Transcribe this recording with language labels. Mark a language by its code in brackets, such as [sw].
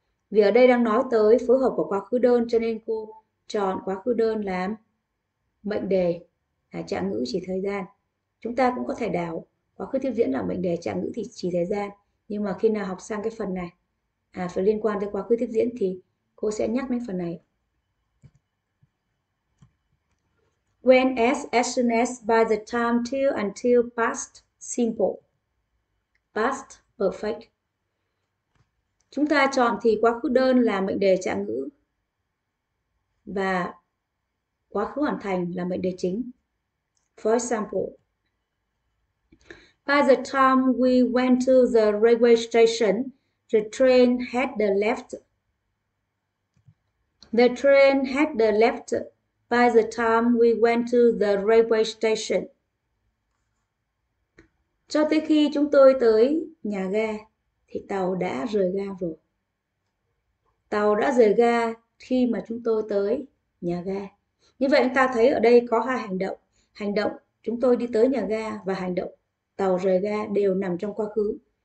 [vi] Vì ở đây đang nói tới phối hợp của quá khứ đơn cho nên cô chọn quá khứ đơn làm mệnh đề là trạng ngữ chỉ thời gian. Chúng ta cũng có thể đảo quá khứ tiếp diễn là mệnh đề trạng ngữ thì chỉ thời gian. Nhưng mà khi nào học sang cái phần này phải liên quan tới quá khứ tiếp diễn thì cô sẽ nhắc đến phần này. [en] When as soon as by the time till past simple. Past perfect. [vi] Chúng ta chọn thì quá khứ đơn là mệnh đề trạng ngữ và quá khứ hoàn thành là mệnh đề chính. [en] For example, by the time we went to the railway station, the train had left. The train had left by the time we went to the railway station. [vi] Cho tới khi chúng tôi tới nhà ga thì tàu đã rời ga rồi. Tàu đã rời ga khi mà chúng tôi tới nhà ga. Như vậy chúng ta thấy ở đây có hai hành động. Hành động chúng tôi đi tới nhà ga và hành động tàu rời ga đều nằm trong quá khứ.